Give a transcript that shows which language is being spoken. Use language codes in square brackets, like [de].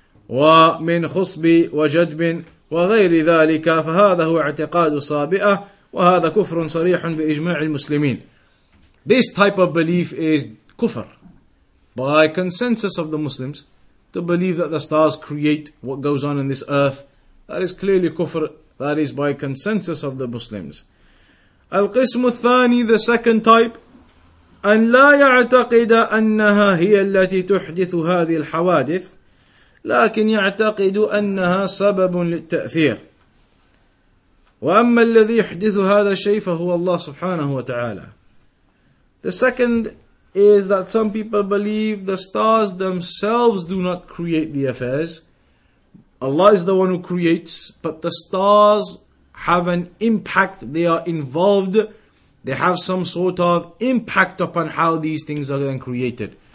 [ar] وَمِنْ خُصْبِ وَجَدْبٍ وَغَيْرِ ذَٰلِكَ فَهَذَا هُوَ اعْتِقَادُ الصَّابِئَةِ وَهَذَا كُفْرٌ صَرِيحٌ بِإِجْمَاعِ الْمُسْلِمِينَ. [en] This type of belief is kufr, by consensus of the Muslims, to believe that the stars create what goes on in this earth. That is clearly kufr, that is by consensus of the Muslims. [ar] Al-Qismu Thani, [en] the second type, [ar] أن لا يعتقد أنها هي التي تحدث هذه الحوادث, لكن يعتقد أنها سبب للتأثير. وأما الذي يحدث هذا الشيء فهو الله سبحانه وتعالى. [en] The second is that some people believe the stars themselves do not create the affairs. Allah is the one who creates, but the stars have an impact. They are involved. They have some sort of impact upon how these things are then created.